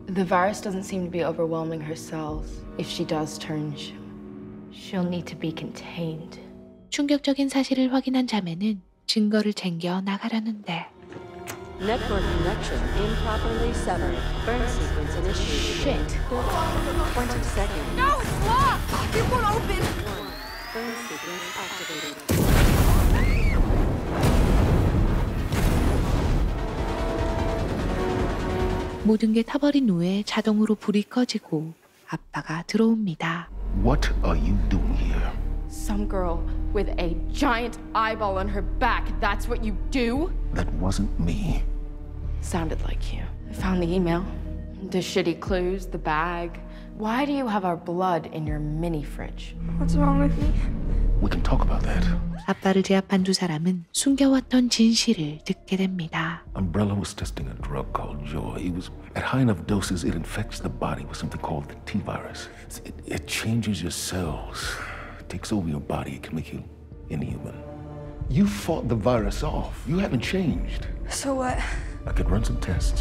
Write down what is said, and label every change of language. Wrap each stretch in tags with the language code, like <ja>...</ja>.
<en>The virus doesn't seem to be overwhelming her cells. If she does turn, she'll need to be contained.</en> <ko>충격적인 사실을 확인한 자매는 증거를 챙겨 나가려는데.</ko> <en>Network connection improperly severed. Burn sequence initiated. Shit. 20 seconds. No, it's locked. It won't open. Burn sequence activated. Moving it over in a way,</en> <ko>자동으로 불이 꺼지고 아빠가 들어옵니다.</ko> <en>What are you doing here? Some girl with a giant eyeball on her back. That's what you do? That wasn't me. Sounded like you. I found the email. The shitty clues, the bag. Why do you have our blood in your mini fridge? What's wrong with me? We can talk about that.</en> <ko>아빠를 제압한 두 사람은 숨겨왔던 진실을 듣게 됩니다.</ko> <en>Umbrella was testing a drug called Joy. It was at high enough doses, it infects the body with something called the T-virus. It changes your cells. It takes over your body. It can make you inhuman. You fought the virus off. You haven't changed. So what? I could run some tests.</en>